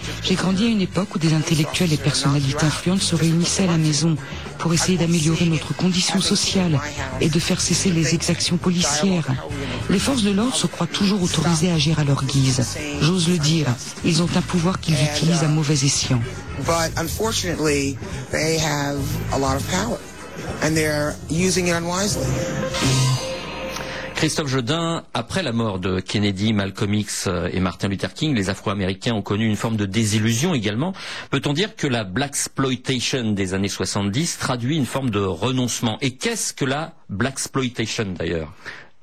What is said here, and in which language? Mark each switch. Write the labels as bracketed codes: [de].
[fr] J'ai grandi à une époque où des intellectuels et personnalités influentes se réunissaient à la maison pour essayer d'améliorer notre condition sociale et de faire cesser les exactions policières. Les forces de l'ordre se croient toujours autorisées à agir à leur guise. J'ose le dire, ils ont un pouvoir qu'ils utilisent à mauvais escient. [en] But unfortunately, they have a lot of power. And they're using it unwisely. [fr] Christophe Jeudin, après la mort de Kennedy, Malcolm X et Martin Luther King, les Afro-Américains ont connu une forme de désillusion également. Peut-on dire que la Blaxploitation des années 70 traduit une forme de renoncement ? Et qu'est-ce que la Blaxploitation d'ailleurs ?